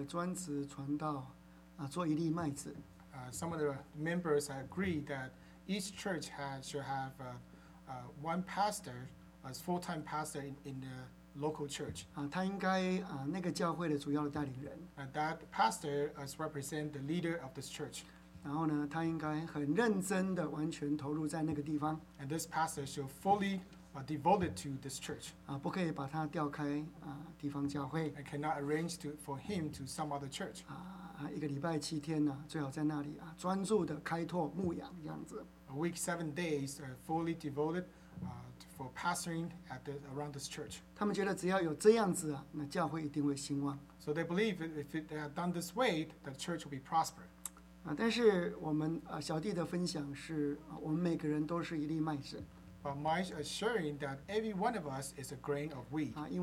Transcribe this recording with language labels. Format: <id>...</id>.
<zh>有的同龄相当认同一个教会应该有一个专职传道，做一粒麦子。</zh> <en>Some of the members agree that each church should have one pastor as full-time pastor in the local church.</en> <zh>他应该那个教会的主要的带领人。</zh> <en>That pastor as represent the leader of this church.</en> <zh>然后呢，他应该很认真的完全投入在那个地方。</zh> <en>And this pastor should fully devoted to this church.</en> <zh>不可以把他调开地方教会。</zh> <en>And cannot arrange for him to some other church.</en> <zh>一个礼拜七天呢，最好在那里专注的开拓牧养这样子。</zh> <en>A week 7 days fully devoted. For pastoring around this church.</en> <zh>他们觉得只要有这样子，那教会一定会兴旺。</zh> <en>So they believe if they are done this way, the church will be prospered.</en> <zh>但是我们小弟的分享是，我们每个人都是一粒麦子。</zh> <en>But my assuring that every one of us is a grain of wheat.</en>